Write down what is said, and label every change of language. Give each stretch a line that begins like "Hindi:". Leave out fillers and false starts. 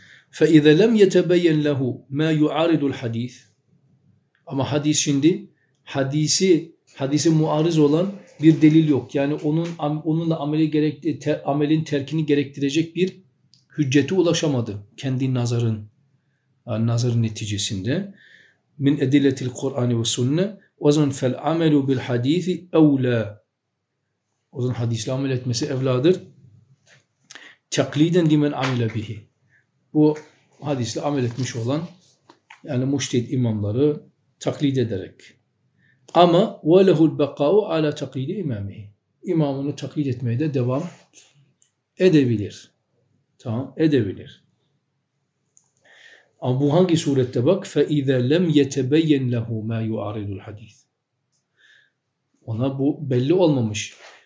Arabic: فَاِذَا لَمْ يَتَبَيَّنْ لَهُ مَا يُعَارِضُ الْحَد۪يثِ
Turkish: Ama hadis şimdi hadise muarız olan bir delil yok. Yani onunla amelin terkini gerektirecek bir hüccete ulaşamadı. Kendi nazarın neticesinde.
Arabic: مِنْ اَدِلَّةِ الْقُرْآنِ وَسُنَّةِ وَزَنْ فَالْعَمَلُوا بِالْحَد۪يثِ اَوْلَى
Turkish: O zaman hadisle amel etmesi evladır.
Arabic: تَقْلِيدًا لِمَنْ عَمِلَ بِهِ
Turkish: Bu hadisle amel etmiş olan yani müçtehit imamları taklit ederek. Ama
Arabic: وَلَهُ الْبَقَاءُ عَلَى تَقْلِيدِ اِمَامِهِ
Turkish: İmamını taklit etmeye de devam edebilir. Tamam, edebilir. Ama bu hangi surette bak?
Arabic: فَاِذَا لَمْ يَتَبَيَّنْ لَهُ مَا يُعَارِضُ الْحَد۪يثِ
Turkish: Ona bu belli olmamış.